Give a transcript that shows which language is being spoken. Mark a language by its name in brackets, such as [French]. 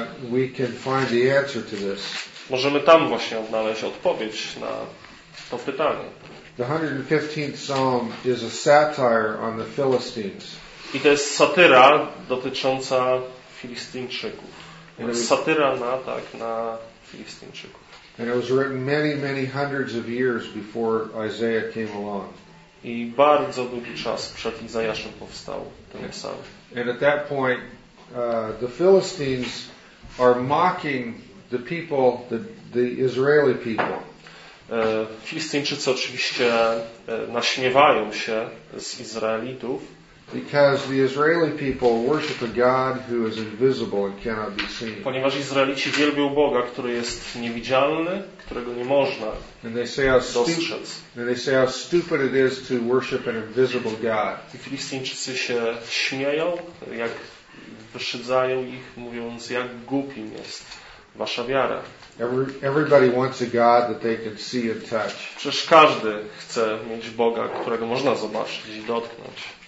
[English] we can find the answer to this. [Polish] Możemy tam właśnie odnaleźć odpowiedź na to pytanie. [English] The 115th Psalm is a satire on the Philistines. [Polish] I to jest satyra dotycząca Filistyńczyków. Satyra na Filistyńczyków. [English] And it was written many, many hundreds of years before Isaiah came along. [Polish] I bardzo długi czas przed Izajaszem powstał ten psalm. [English] And at that point, the Philistines are mocking the people, the Israeli people. [Polish] Filistyńczycy oczywiście naśmiewają się z Izraelitów. [English] Because the Israeli people worship a God who is invisible and cannot be seen. [Polish] Ponieważ Izraelici wielbią Boga, który jest niewidzialny, którego nie można dostrzec. [English] And they say how stupid it is to worship an invisible God. [Polish] I Filistyńczycy się śmieją, jak wyszydzają ich, mówiąc, jak głupim jest wasza wiara. [English] Everybody wants a God that they can see and touch. [Polish] Przecież każdy chce mieć Boga, którego można zobaczyć i dotknąć.